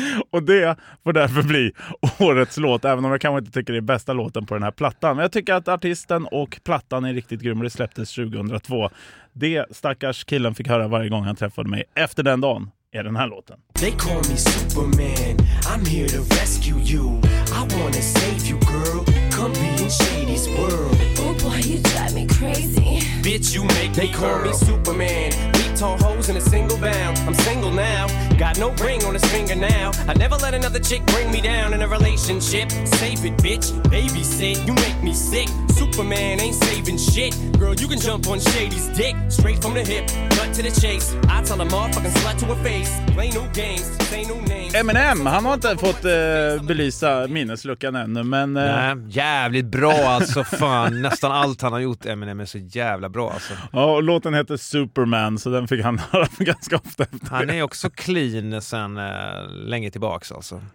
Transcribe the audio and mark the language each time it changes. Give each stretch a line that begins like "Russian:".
Swedish: Och det får därför bli årets låt, även om jag kanske inte tycker det är bästa låten på den här plattan. Men jag tycker att artisten och plattan är riktigt grym och det släpptes 2002. Det stackars killen fick höra varje gång han träffade mig efter den dagen är den här låten.
English: They call me Superman, I'm here to rescue you. I wanna save you girl, come be in Shady's world. Oh boy, you drive me crazy. Bitch, you make me curl. They call me Superman, beat tall hoes in a single bound. I'm single now, got no ring on his finger now. I never let another chick bring me down in a relationship. Save it, bitch, babysit, you make me sick. Superman ain't saving shit. Girl, you can jump on Shady's dick. Straight from the hip, butt to the chase. I tell a motherfucking slut to her face. Play no games, say no names.
Swedish: Eminem, han har inte fått belysa minnesluckan ännu, men... Nej, jävligt bra alltså, fan. Nästan allt han har gjort, Eminem, är så jävla bra alltså. Ja, och låten heter Superman, så den fick han höra ganska ofta. Han är också clean sen länge tillbaks alltså.